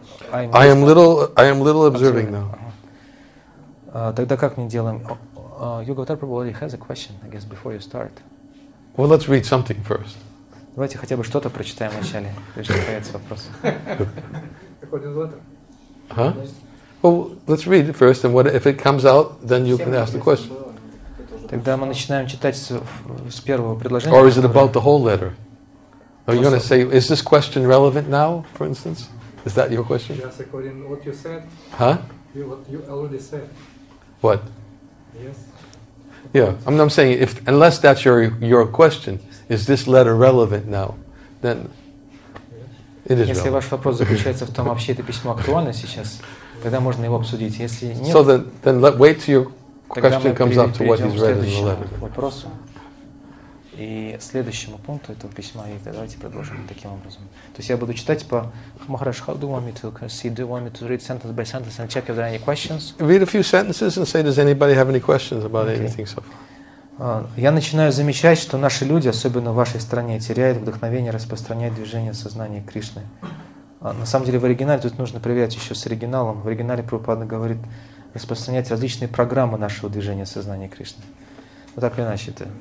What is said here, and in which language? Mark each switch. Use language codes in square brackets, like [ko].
[en] I am little observing now. [ru] Тогда как мне делаем? [en] Yuga Vatar Prabhu already has a question, I guess, before you start. Well, let's read something first. [ru] Давайте хотя бы что-то прочитаем вначале, прежде чем появится вопрос. Huh? [en] Well, let's read it first, and if it comes out, then you can ask the question. [ru] Тогда мы начинаем читать с первого предложения. [en] Or is it about the whole letter? Are you going to say, is this question relevant now, for instance? Is that your question? Yes, according to what you said. Huh? What you already said. What? Yes. Yeah, I'm saying, unless that's your question, is this letter relevant now, then it is relevant. [ru] Если ваш вопрос заключается в том, вообще это письмо актуально сейчас, тогда можно его обсудить. Если нет, [en] so then wait till your question comes up to what he's read in the letter. [ru] Вопросу. И следующему пункту этого письма, и давайте продолжим таким образом. То есть я буду читать по Махараш, [en] how do you want me to see? Do you want me to read sentence by sentence and check if there are any questions? Read a few sentences and say, does anybody have any questions about anything so far? [ru] Я начинаю замечать, что наши люди, особенно в вашей стране, теряют вдохновение распространять движение сознания Кришны. На самом деле в оригинале, тут нужно проверять еще с оригиналом, в оригинале Прабхупада говорит распространять различные программы нашего движения сознания Кришны. Ну так или иначе, это.